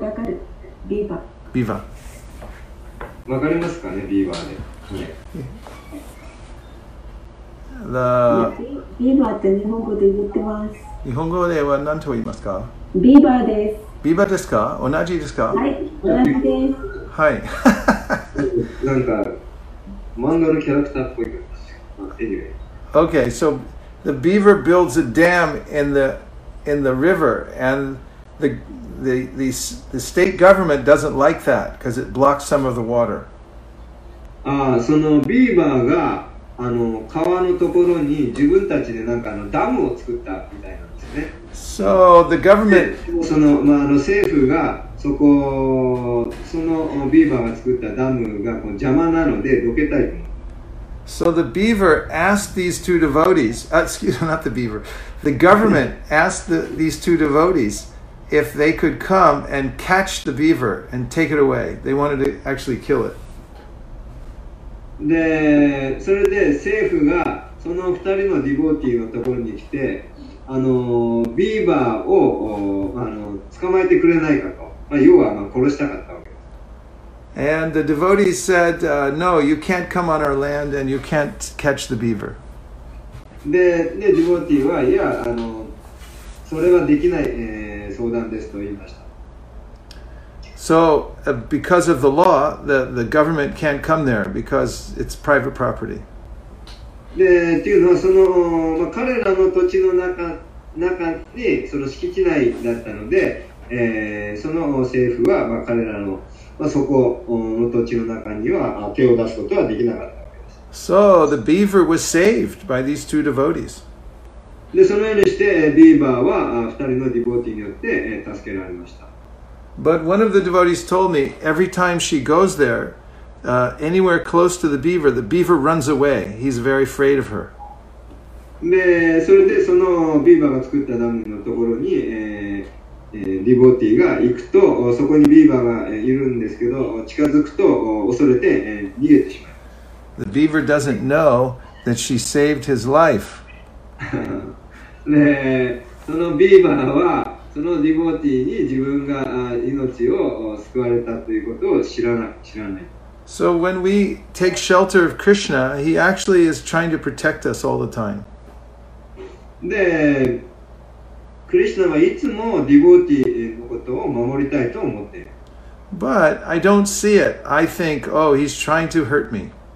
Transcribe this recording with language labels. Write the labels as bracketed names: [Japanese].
[Japanese] わかりますかね、ビーバーで。 [English] The [Japanese] ビーバーって日本語で言ってます。日本語では何と言いますか？ビーバーです。ビーバーですか？同じですか？はい、同じです。はい。なんか漫画のキャラクターっぽい感じ。 [English] Okay, so the beaver builds a dam in the river, and the state government doesn't like that because it blocks some of the water. [Japanese] Ah, そのビーバーがあの川のところに自分たちでなんかあのダムを作ったみたいなんですね。 [English] So the government, [Japanese] そのまああの政府がそこそのビーバーが作ったダムがこう邪魔なのでどけたい。 [English] So the beaver asked these two devotees, the government asked these two devotees if they could come and catch the beaver and take it away. They wanted to actually kill it. [Japanese] で、それで政府がその二人のディボーティーのところに来て、あのビーバーをあの捕まえてくれないかと、まあ、要はまあ殺したかった。 [English] And the devotees said, no, you can't come on our land and you can't catch the beaver. [Japanese] で、ディボーティーは、いや、あの、それはできない、相談ですと言いました。 [English] So, because of the law, the government can't come there because it's private property. [Japanese] で、というのは、その、まあ、彼らの土地の中に、その敷地内だったので、その政府は、まあ、彼らのまあ、そこの土地の中には手を出すことはできなかったわけです。 [English] So the beaver was saved by these two devotees. [Japanese] で、そのようにしてビーバーは二人のディボーティーによって助けられました。 [English] But one of the devotees told me every time she goes there, anywhere close to the beaver runs away. He's very afraid of her. [Japanese] で、それでそのビーバーが作ったダムのところに、ディボーティーが行くと、そこにビーバーがいるんですけど、近づくと恐れて逃げてしまう。 [English] The beaver doesn't know that she saved his life. [Japanese] で、そのビーバーはそのディボーティーに自分が命を救われたということを知らない。 [English] So when we take shelter of Krishna, he actually is trying to protect us all the time. [Japanese] で、クリシナはいつもディボーティーのことを守りたいと思っている。 [English] But I don't see it. I think, oh, he's trying to hurt me.